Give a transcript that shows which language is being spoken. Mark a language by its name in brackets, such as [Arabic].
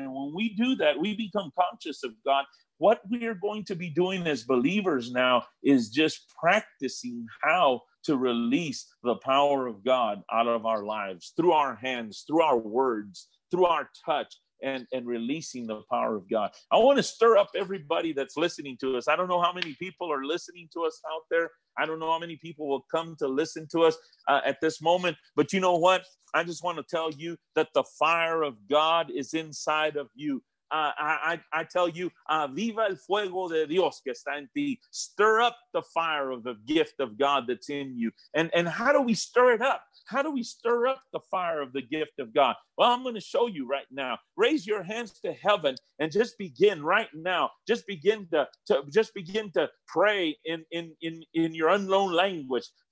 [English] And when we do that, we become conscious of God. What we are going to be doing as believers now is just practicing how to release the power of God out of our lives, through our hands, through our words, through our touch, and releasing the power of God. I want to stir up everybody that's listening to us. I don't know how many people are listening to us out there. I don't know how many people will come to listen to us at this moment. But you know what? I just want to tell you that the fire of God is inside of you. I tell you, [Spanish] viva el fuego de Dios que está en ti. [English] Stir up the fire of the gift of God that's in you. And how do we stir it up? How do we stir up the fire of the gift of God? Well, I'm going to show you right now. Raise your hands to heaven and just begin right now. Just begin to pray in your unknown language.